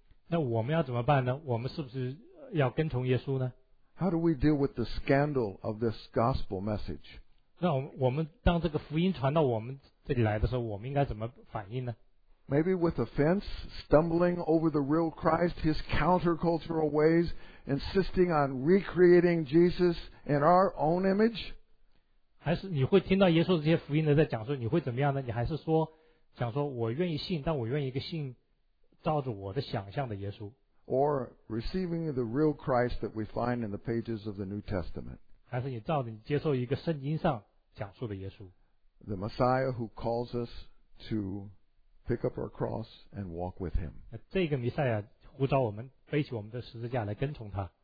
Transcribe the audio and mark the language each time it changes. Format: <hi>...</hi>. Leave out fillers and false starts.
<zh>那我们要怎么办呢？我们是不是要跟从耶稣呢？</zh> <en>How do we deal with the scandal of this gospel message?</en> <zh>那我们当这个福音传到我们这里来的时候，我们应该怎么反应呢？</zh> <en>Maybe with offense, stumbling over the real Christ, his countercultural ways, insisting on recreating Jesus in our own image?</en> <zh>还是你会听到耶稣这些福音的在讲说，你会怎么样呢？你还是说，讲说我愿意信，但我愿意一个信照着我的想象的耶稣。</zh> <en>Or receiving the real Christ that we find in the pages of the New Testament.</en> <zh>还是你照着你接受一个圣经上讲述的耶稣。</zh> <en>The Messiah who calls us to pick up our cross and walk with him.</en> <zh>这个弥赛亚呼召我们背起我们的十字架来跟从他。</zh>